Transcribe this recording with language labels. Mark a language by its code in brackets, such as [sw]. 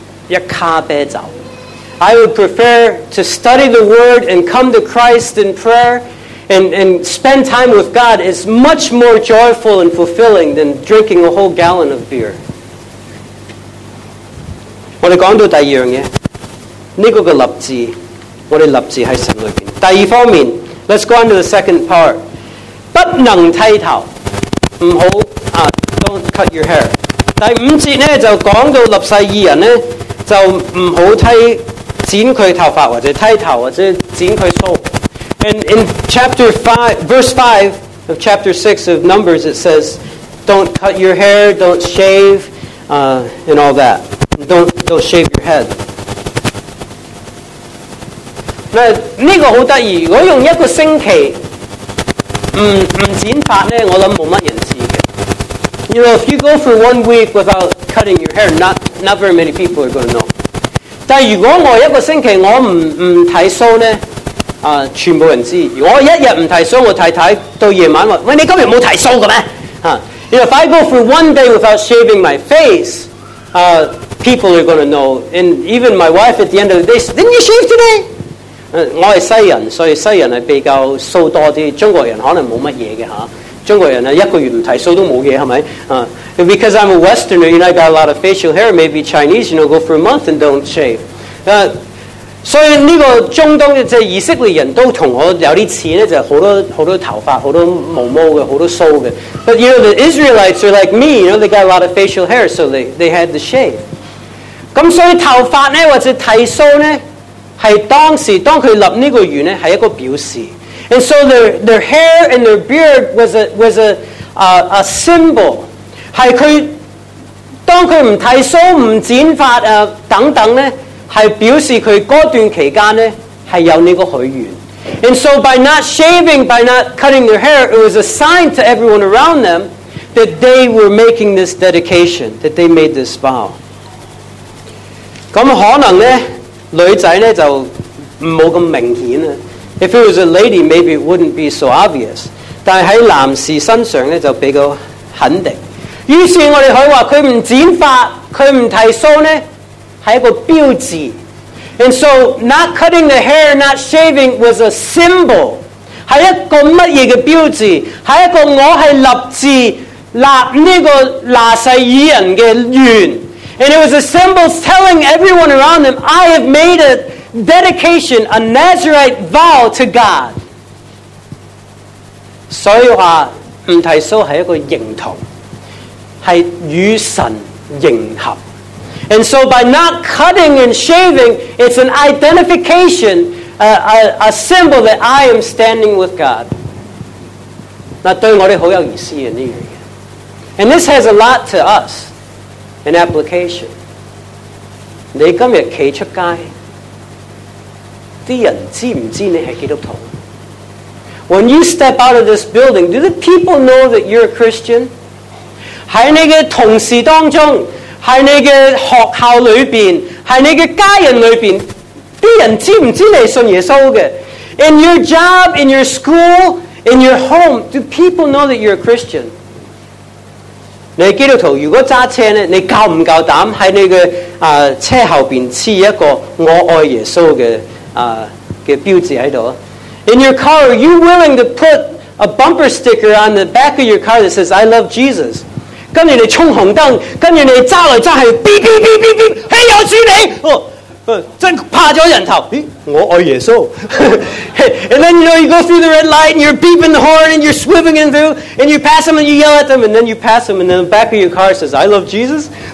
[en] I would prefer to study the Word and come to Christ in prayer and spend time with God is much more joyful and fulfilling than drinking a whole gallon of beer. [yue] 我们讲到第二样嘢，这个立志，我们立志在神里面。第二方面， [en] Let's go on to the second part. [yue] 不能剃头，唔好啊 [en] ，don't cut your hair. [yue] 第五节咧就讲到立世义人咧就唔好剃剪佢头发或者剃头或者剪佢须。 [en] And in chapter five, verse five of chapter six of Numbers, it says, "Don't cut your hair, don't shave, and all that. Don't shave your head." [yue] 嗱，呢个好得意。如果用一个星期唔剪发咧，我谂冇乜人知嘅。 [en] You know, if you go for one week without cutting your hair, not very many people are going to know. [yue] 但如果我一个星期我唔剃须咧，啊，全部人知。我一日唔剃须，我太太到夜晚话：喂，你今日冇剃须嘅咩？啊 [en] ，You know, if I go for one day without shaving my face, people are going to know. And even my wife at the end of the day, didn't you shave today? [yue] 我是西人，所以西人是比较素多啲。中国人可能冇乜嘢嘅吓，中国人啊一个月唔剃须都冇嘢，系咪？ [en] 啊 ，because I'm a Westerner, you know, I got a lot of facial hair. Maybe Chinese, you know, go for a month and don't shave. [yue] 所以呢个中东嘅即系以色列人都同我有啲似咧，就系好多好多头发，好多毛毛嘅，好多须嘅。 [en] But you know, the Israelites are like me. You know, they got a lot of facial hair, so they had to shave. [yue] 咁所以头发咧或者剃须咧。是当时当他立这个愿是一个表示 [en] and so their hair and their beard was a symbol [yue] 是他当他不剃须不剪发、等等呢是表示他那段期间呢是有这个许愿 [en] and so by not shaving by not cutting their hair it was a sign to everyone around them that they were making this dedication that they made this vow [yue] 那可能呢女仔咧就冇咁明顯啊。 [en] If it was a lady, maybe it wouldn't be so obvious. [yue] 但喺男士身上咧就比較肯定。於是我哋可以話佢唔剪髮，佢唔剃須咧係一個標誌。 [en] And so not cutting the hair, not shaving was a symbol. [yue] 係一個乜嘢嘅標誌？係一個我係立志立呢個拿細爾人嘅願。 [en] And it was a symbol telling everyone around them, I have made a dedication, a Nazarite vow to God. [yue] 所以话唔剃须系一个认同，系与神迎合。 [en] And so by not cutting and shaving, it's an identification, a symbol that I am standing with God. [yue] 那对我哋好有意思嘅呢样嘢。 [en] And this has a lot to us. An application. [yue] 你今日企出街，啲人知唔知你系基督徒 [en] ？When you step out of this building, do the people know that you're a Christian? [yue] 喺你嘅同事当中，喺你嘅学校里边，喺你嘅家人里边，啲人知唔知你信耶稣嘅 [en] ？In your job, in your school, in your home, do people know that you're a Christian? [yue] 你基督徒如果揸车咧，你够唔够胆喺你嘅车后边刺一个我爱耶稣嘅标志喺度 [en] ？In your car, are you willing to put a bumper sticker on the back of your car that says "I love Jesus"? [yue] 跟住你冲红灯，跟住你揸嚟揸去，哔哔哔哔哔，嘿有主你，真怕咗人头。咦，我爱耶稣。 [en] And then you know you go through the red light and you're beeping the horn and you're swerving in through and you pass them and you yell at them and then you pass them and then the back of your car says I love Jesus.